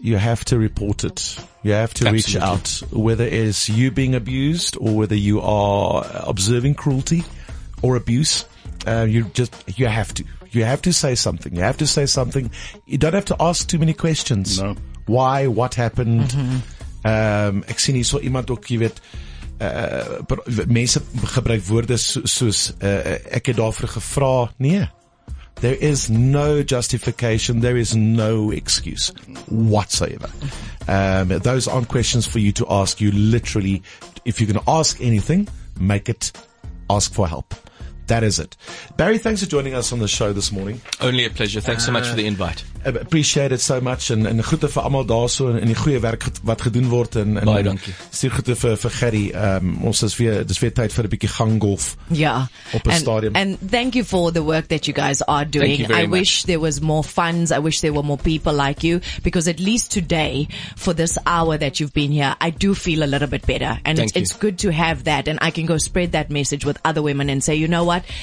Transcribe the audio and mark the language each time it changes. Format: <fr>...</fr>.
<en>You have to report it. You have to reach out, whether it's you being abused or whether you are observing cruelty or abuse. You have to. You have to say something. You have to say something. You don't have to ask too many questions. No. Why? What happened? Mm-hmm.</en> <af>Ek sien hier so iemand ook, jy weet, mense gebruik woorde soos ek het daarvoor gevra.</af> <en>Nee, there is no justification, there is no excuse whatsoever. Those aren't questions for you to ask. You literally, if you're going to ask anything, make it ask for help. That is it. Barry, thanks for joining us on the show this morning. Only a pleasure. Thanks so much for the invite. Appreciate it so much.</en> <af>En groete vir amal daar so en die goeie werk wat gedoen word. Baie dankie. Stuur groete vir Gerry. Ons is weer, dis weer tyd vir 'n bietjie ganggolf. Yeah. Op 'n stadium.</af> <en>And thank you for the work that you guys are doing. Thank you very much. Wish there was more funds. I wish there were more people like you. Because at least today, for this hour that you've been here, I do feel a little bit better. And it's good to have that. And I can go spread that message with other women and say, you know what?</en>